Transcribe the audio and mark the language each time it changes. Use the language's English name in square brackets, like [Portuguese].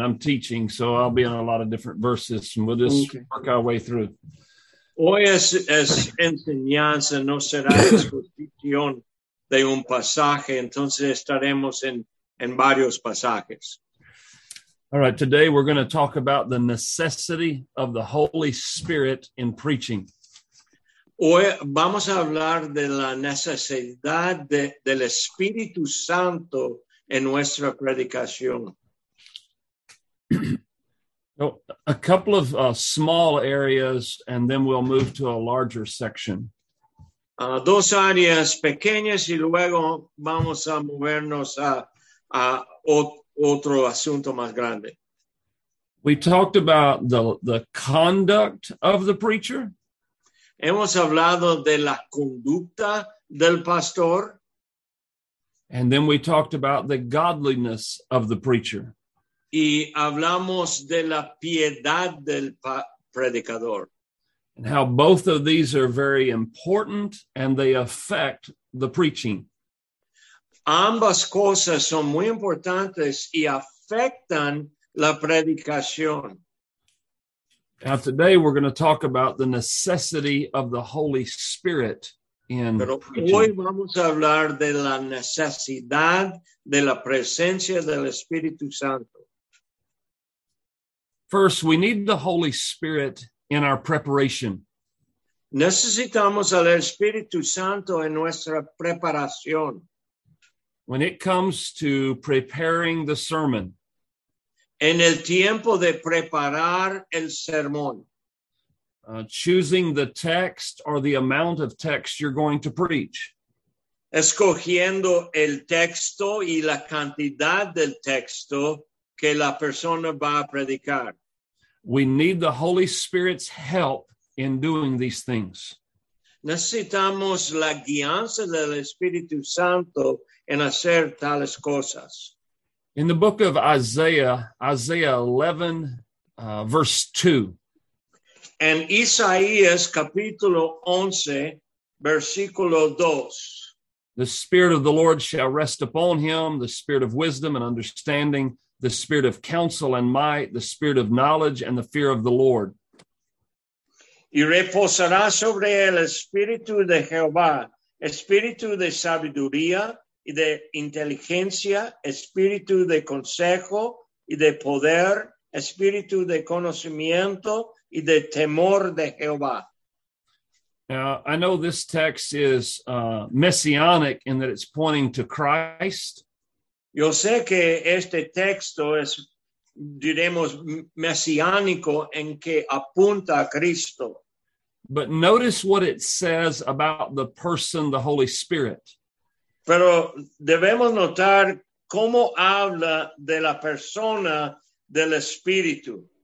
[English] I'm teaching, so I'll be in a lot of different verses, and we'll just work our way through. [Spanish] Hoy es enseñanza, no será discusión de un pasaje, entonces estaremos en varios pasajes. [English] All right, today we're going to talk about the necessity of the Holy Spirit in preaching. [Spanish] Hoy vamos a hablar de la necesidad del Espíritu Santo en nuestra predicación. [English] So a couple of small areas, and then we'll move to a larger section. [Spanish] Dos áreas pequeñas, y luego vamos a movernos a otro asunto más grande. [English] We talked about the conduct of the preacher. [Spanish] Hemos hablado de la conducta del pastor. [English] And then we talked about the godliness of the preacher. [Spanish] Y hablamos de la piedad del predicador. [English] And how both of these are very important and they affect the preaching. [Spanish] Ambas cosas son muy importantes y afectan la predicación. [English] Now today we're going to talk about the necessity of the Holy Spirit in preaching. [Spanish] Hoy vamos a hablar de la necesidad de la presencia del Espíritu Santo. [English] First, we need the Holy Spirit in our preparation. [Spanish] Necesitamos al Espíritu Santo en nuestra preparación. [English] When it comes to preparing the sermon. [Spanish] En el tiempo de preparar el sermón. [English] Choosing the text or the amount of text you're going to preach. [Spanish] Escogiendo el texto y la cantidad del texto que la persona va a predicar. [English] We need the Holy Spirit's help in doing these things. [Spanish] Necesitamos la guianza del Espíritu Santo en hacer tales cosas. [English] In the book of Isaiah 11, verse 2. [Spanish] En Isaías, capítulo 11, versículo 2. [English] The Spirit of the Lord shall rest upon him, the Spirit of wisdom and understanding, the spirit of counsel and might, the spirit of knowledge and the fear of the Lord. [Spanish] Y reposará sobre el espíritu de Jehová, espíritu de sabiduría y de inteligencia, espíritu de consejo y de poder, espíritu de conocimiento y de temor de Jehová. [English] Now, I know this text is messianic in that it's pointing to Christ. [Spanish] Yo sé que este texto es, diremos, mesiánico en que apunta a Cristo. [English] But notice what it says about the person, the Holy Spirit. [Spanish] Pero debemos notar cómo habla de la persona del Espíritu.